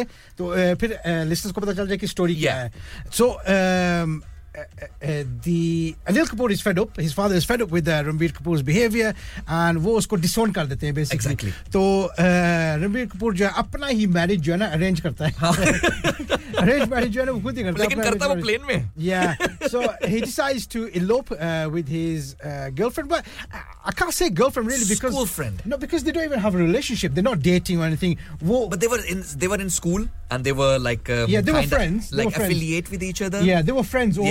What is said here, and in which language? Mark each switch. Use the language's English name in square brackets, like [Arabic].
[Hindi] करें तो फिर लिसनर्स को पता चल जाए कि स्टोरी क्या है [English] So Anil Kapoor is fed up. His father is fed up with Ranbir Kapoor's behavior, and [Hindi] वो उसको disown कर देते हैं [English] basically. Exactly. [Hindi] तो Ranbir Kapoor जो है अपना ही marriage जो है ना arrange करता है. arrange marriage जो है ना वो खुद ही करता है. लेकिन करता है वो plane में. [English] Yeah. So he decides to elope with his girlfriend, but I can't say girlfriend really because school friend. No, because they don't even have a relationship. They're not dating or anything. वो but they were in school. And they were like they were friends. Like they were affiliate friends. With each other. Yeah, they were friends only.